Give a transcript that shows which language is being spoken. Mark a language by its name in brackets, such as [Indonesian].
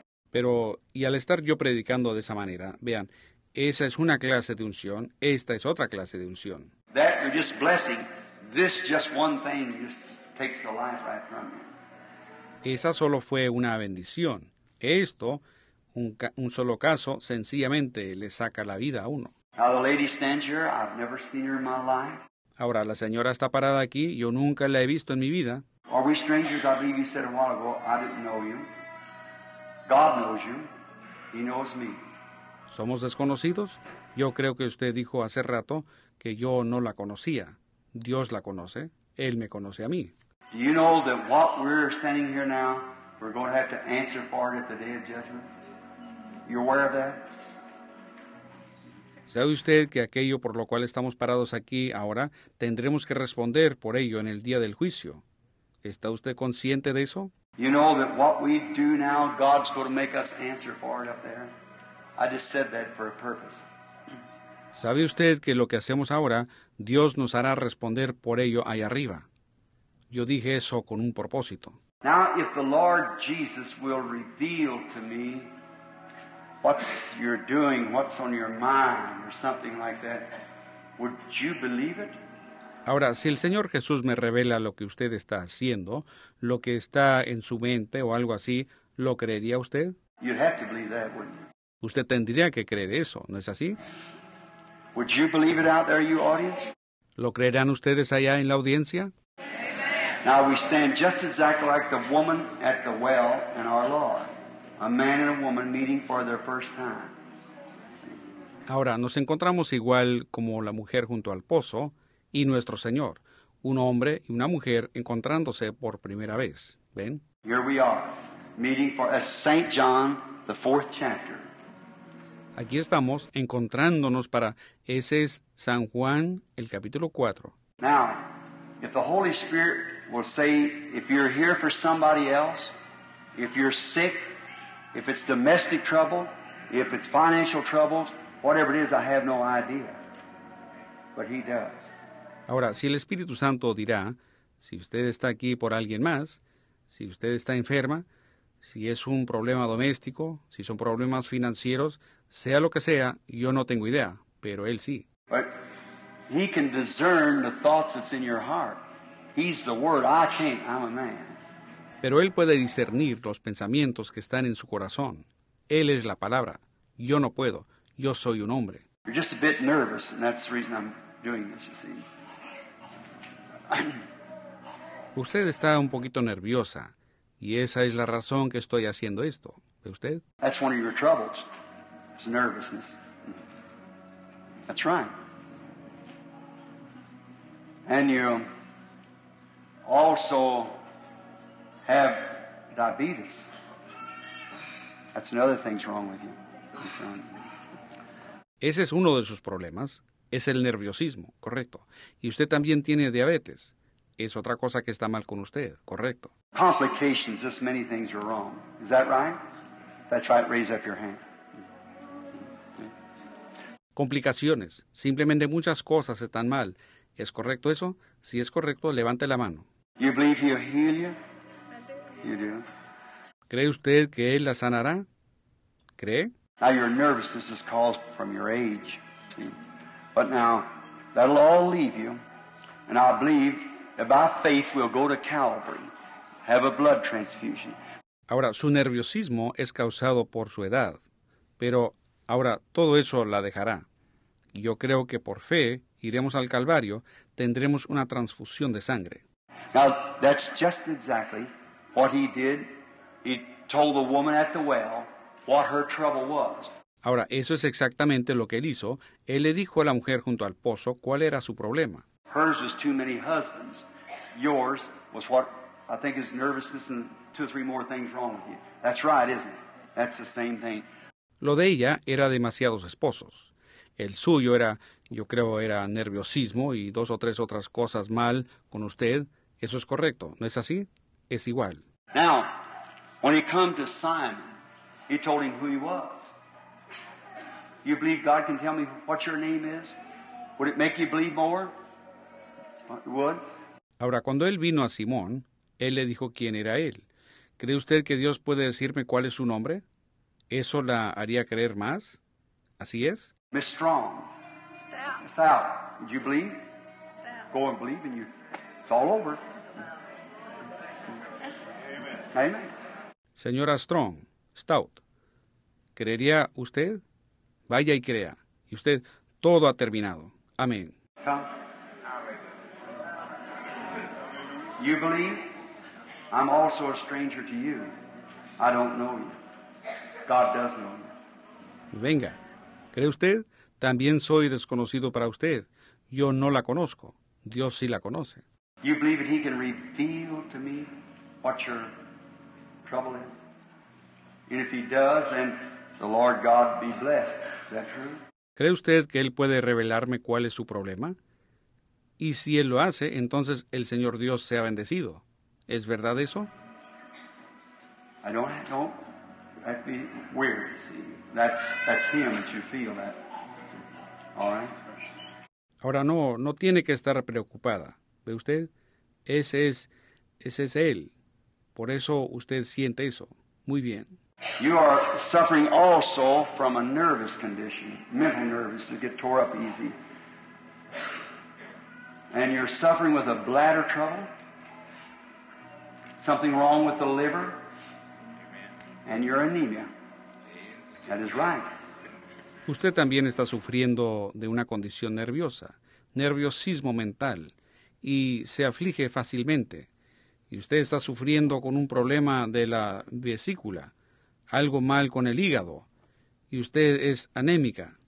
[Spanish] Pero, y al estar yo predicando de esa manera, vean, esa es una clase de unción, esta es otra clase de unción. [English] That you're just blessing, this just one thing just takes the life right from you. [Spanish] Esa solo fue una bendición. Esto, un solo caso, sencillamente le saca la vida a uno. [English] Now the lady stands here, I've never seen her in my life. [Spanish] Ahora, la señora está parada aquí. Yo nunca la he visto en mi vida. [English] Are we strangers? I believe you said a while ago, I didn't know you. God knows you. He knows me. [Spanish] ¿Somos desconocidos? Yo creo que usted dijo hace rato que yo no la conocía. Dios la conoce. Él me conoce a mí. [English] Do you know that what we're standing here now, we're going to have to answer for it at the day of judgment? You're aware of that? [Spanish] ¿Sabe usted que aquello por lo cual estamos parados aquí ahora, tendremos que responder por ello en el día del juicio? ¿Está usted consciente de eso? [English] You know that what we do now, God's going to make us answer for it up there. I just said that for a purpose. [Spanish] ¿Sabe usted que lo que hacemos ahora, Dios nos hará responder por ello allá arriba? Yo dije eso con un propósito. [English] Now, if the Lord Jesus will reveal to me what you're doing, what's on your mind, or something like that, would you believe it? [Spanish] Ahora, si el Señor Jesús me revela lo que usted está haciendo, lo que está en su mente o algo así, ¿lo creería usted? [English] You'd have to believe that, wouldn't you? [Spanish] Usted tendría que creer eso, ¿no es así? [English] Would you believe it out there, you audience? [Spanish] ¿Lo creerán ustedes allá en la audiencia? [English] Now we stand just exactly like the woman at the well in our Lord, a man and a woman meeting for their first time. [Spanish] Ahora nos encontramos igual como la mujer junto al pozo y nuestro Señor, un hombre y una mujer encontrándose por primera vez. ¿Ven? [English] Here we are, meeting for a St. John, the fourth chapter. [Spanish] Aquí estamos encontrándonos para ese es San Juan, el capítulo 4. [English] Now, if the Holy Spirit will say, if you're here for somebody else, if you're sick, if it's domestic trouble, if it's financial troubles, whatever it is, I have no idea. But he does. [Spanish] Ahora, si el Espíritu Santo dirá, si usted está aquí por alguien más, si usted está enferma, si es un problema doméstico, si son problemas financieros, sea lo que sea, yo no tengo idea, pero él sí. [English] But he can discern the thoughts that's in your heart. He's the word. I can't. I'm a man. [Spanish] Pero él puede discernir los pensamientos que están en su corazón. Él es la palabra. Yo no puedo. Yo soy un hombre. [English] You're just a bit nervous, and that's the reason I'm doing this, you see. [Spanish] Usted está un poquito nerviosa, y esa es la razón que estoy haciendo esto. ¿Ve usted? [English] That's one of your troubles. It's nervousness. That's right. And you also have diabetes. That's another thing's wrong with you. [Spanish] Ese es uno de sus problemas, es el nerviosismo, correcto. Y usted también tiene diabetes. Es otra cosa que está mal con usted, correcto. [English] Complications, just many things are wrong. Is that right? That's right, raise up your hand. [Spanish] Complicaciones, simplemente muchas cosas están mal. ¿Es correcto eso? Si es correcto, levante la mano. [English] You believe he'll heal you? You do. [Spanish] ¿Cree usted que él la sanará? ¿Cree? [English] Now your nervousness is caused from your age. But now, that'll all leave you. And I believe that by faith we'll go to Calvary, have a blood transfusion. [Spanish] Ahora, su nerviosismo es causado por su edad. Pero ahora, todo eso la dejará. Yo creo que por fe, iremos al Calvario, tendremos una transfusión de sangre. [English] Now, that's just exactly what he did. He told the woman at the well what her trouble was. [Spanish] Ahora, eso es exactamente lo que él hizo. Él le dijo a la mujer junto al pozo cuál era su problema. [English] Hers was too many husbands. Yours was what I think is nervousness and two or three more things wrong with you. That's right, isn't it? That's the same thing. [Spanish] Lo de ella era demasiados esposos. El suyo era, yo creo, era nerviosismo y dos o tres otras cosas mal con usted. Eso es correcto, ¿no es así? Es igual. [English] Now, when he come to Simon, he told him who he was. You believe God can tell me what your name is? Would it make you believe more? It would. [Spanish] Ahora, cuando él vino a Simón, él le dijo quién era él. ¿Cree usted que Dios puede decirme cuál es su nombre? ¿Eso la haría creer más? ¿Así es? [English] Miss Strong. Sal. Do you believe? Sal. Go and believe and you. It's all over. Amen. Amen. [Spanish] Señora Strong. Stout. ¿Creería usted? Vaya y crea. Y usted, todo ha terminado. Amén. [English] You believe? I'm also a stranger to you. I don't know you. God does know you. [Spanish] Venga. ¿Cree usted? También soy desconocido para usted. Yo no la conozco. Dios sí la conoce. [English] You believe that he can reveal to me what your trouble is? And if he does, then the Lord God be blessed. Is that true? [Spanish] ¿Cree usted que él puede revelarme cuál es su problema? Y si él lo hace, entonces el Señor Dios sea bendecido. ¿Es verdad eso? [English] I don't. That'd be weird. See, that's him that you feel that. All right. [Spanish] Ahora no tiene que estar preocupada. ¿Ve usted? Ese es él. Por eso usted siente eso. Muy bien. [English] You are suffering also from a nervous condition. Mental nerves that get tore up easy. And you're suffering with a bladder trouble. Something wrong with the liver. And your anemia. That is right. [Spanish] Usted también está sufriendo de una condición nerviosa. Nerviosismo mental y se aflige fácilmente. Y usted está sufriendo con un problema de la vesícula, algo mal con el hígado, y usted es anémica.